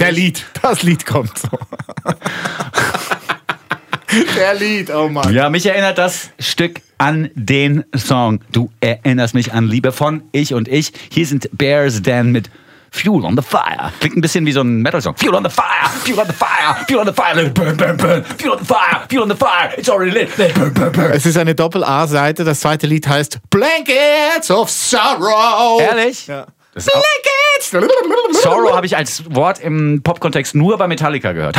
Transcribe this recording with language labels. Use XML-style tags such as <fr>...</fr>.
<de>Der Lied. Das Lied kommt. Der Lied, oh Mann. Ja, mich erinnert das Stück an den Song Du erinnerst mich an Liebe von Ich und Ich. Hier sind Bear Stanton mit Fuel on the Fire. Klingt ein bisschen wie so ein Metal-Song.</de> <en>Fuel on the Fire, Fuel on the Fire, Fuel on the Fire, burn, burn, burn. Fuel on the Fire, Fuel on the Fire, it's already lit, burn, burn, burn.</en> <de>Es ist eine Doppel-A-Seite. Das zweite Lied heißt Blankets of Sorrow. Ehrlich? Ja. Blankets! Sorrow habe ich als Wort im Pop-Kontext nur bei Metallica gehört.</de>